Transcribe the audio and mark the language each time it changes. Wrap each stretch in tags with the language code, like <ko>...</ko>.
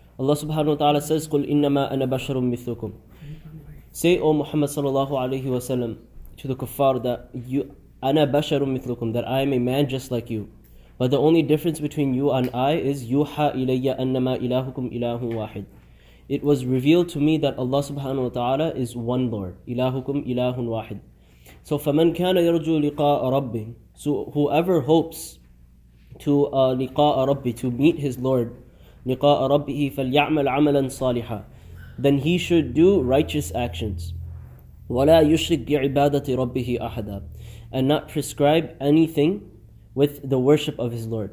<en>Allah subhanahu wa ta'ala says,</en> <ar>قُلْ إِنَّمَا أَنَا بَشَرٌ مِثْلُكُمْ.</ar> <en>Say, O Muhammad sallallahu alayhi wa sallam, to the kuffar, that you,</en> <ar>أَنَا بَشَرٌ مِثْلُكُمْ,</ar> <en>that I am a man just like you. But the only difference between you and I is,</en> <ar>يُوحَى إِلَيَّ أَنَّمَا إِلَهُكُمْ إِلَهٌ وَاحِدٌ.</ar> <en>It was revealed to me that Allah subhanahu wa ta'ala is one Lord.</en> <ar>إِلَهُكُمْ إِلَهٌ وَاحِدٌ. So, فَمَنْ كَانَ يَرْجُو لِقَاءَ رَبِّهِ.</ar> <en>So, whoever hopes to</en> <ar>لِقَاءَ رَبِّهِ,</ar> <en>to meet his Lord,</en> <ar>لِقَاءَ رَبِّهِ فَلْيَعْمَلْ عَمَلًا صَالِحًا,</ar> <en>then he should do righteous actions.</en> <ar>وَلَا يُشْرِكْ بِعِبَادَةِ رَبِّهِ أَحَدًا,</ar> <en>and not prescribe anything with the worship of his Lord.</en>